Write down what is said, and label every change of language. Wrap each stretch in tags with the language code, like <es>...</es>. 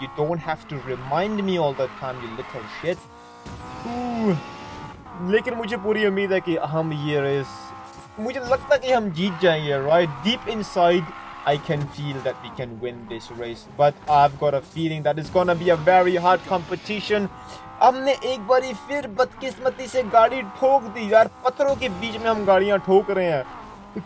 <en>You don't have to remind me all the time, you little shit.</en> <hi>लेकिन मुझे पूरी उम्मीद है कि हम ये रेस, मुझे लगता है कि हम जीत जाएंगे, right?</hi> <en>Deep inside, I can feel that we can win this race. But I've got a feeling that it's gonna be a very hard competition.</en> <hi>हमने एक बार फिर बदकिस्मती से गाड़ी ठोक दी यार, पत्थरों के बीच में हम गाड़ियाँ ठोक रहे हैं।</hi>